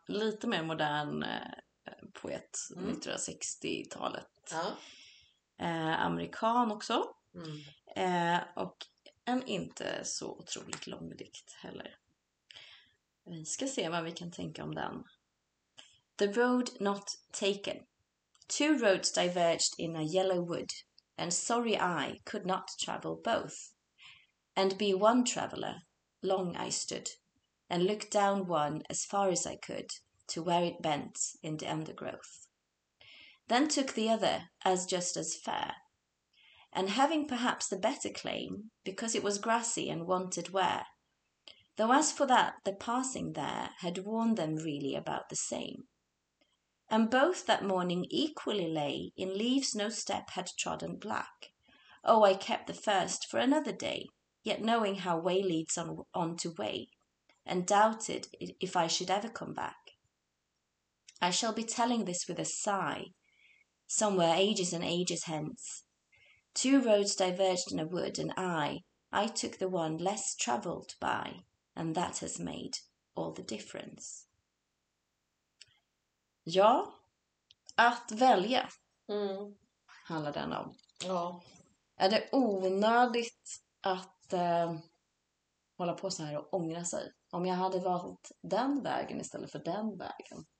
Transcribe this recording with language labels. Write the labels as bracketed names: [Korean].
[Swedish] Lite mer modern poet, 1960-talet. Ja. Amerikan också. Mm. Och en inte så otroligt lång dikt heller. Vi ska se vad vi kan tänka om den. [English] The road not taken. Two roads diverged in a yellow wood, and sorry I could not travel both. And be one traveller, long I stood, and looked down one as far as I could, to where it bent in the undergrowth. Then took the other as just as fair, and having perhaps the better claim, because it was grassy and wanted wear. Though as for that, the passing there had warned them really about the same. And both that morning equally lay in leaves no step had trodden black. Oh, I kept the first for another day, yet knowing how way leads on to way, and doubted if I should ever come back. I shall be telling this with a sigh, somewhere ages and ages hence. Two roads diverged in a wood, and I took the one less travelled by, and that has made all the difference. [Swedish] Ja, att välja handlar den om. Ja. Är det onödigt att hålla på så här och ångra sig. Om jag hade valt den vägen istället för den vägen.